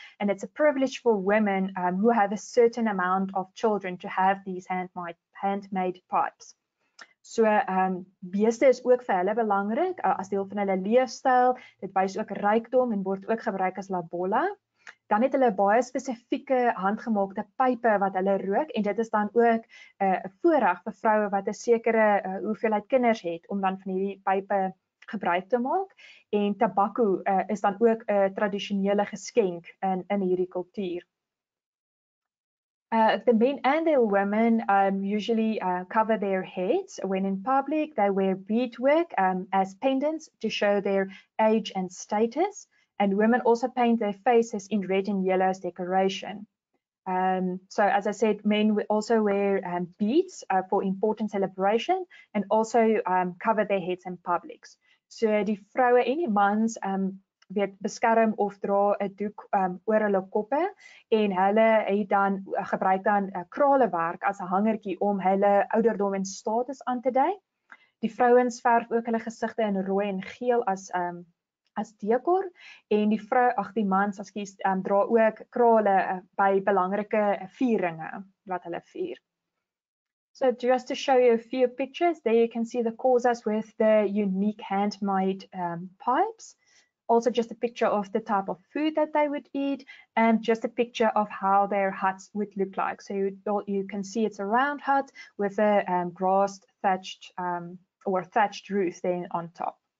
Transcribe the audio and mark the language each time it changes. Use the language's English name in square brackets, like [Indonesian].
[English] And it's a privilege for women who have a certain amount of children to have these handmade pipes. [Afrikaans] So beeste is ook vir hulle belangrik as deel van hulle leefstyl. Dit wys ook rykdom en word ook gebruik as lobola. Dan het hulle baie spesifieke handgemaakte pype wat hulle rook en dit is dan ook 'n voorreg vir vroue wat 'n sekere hoeveelheid kinders het om dan van hierdie pype gebruik te maak en tabakko is dan ook 'n tradisionele geskenk in hierdie kultuur. [English] The men and the women usually cover their heads when in public. They wear beadwork as pendants to show their age and status. And women also paint their faces in red and yellow as decoration. So as I said, men also wear beads for important celebration and also cover their heads in publics. [Afrikaans] So die vroue en die mans weet beskerm of dra 'n doek oor hulle koppe en hulle het dan gebruik dan kralewerk as 'n hangertjie om hulle ouderdom en status aan te dui. Die vrouens verf ook hulle gesigte in rooi en geel as dekor en die mans dra ook krale by belangrike vieringe wat hulle vier. [English] So just to show you a few pictures, there you can see the Khoisas with the unique handmade pipes. Also just a picture of the type of food that they would eat and just a picture of how their huts would look like. So you can see it's a round hut with a grass thatched or thatched roof then on top.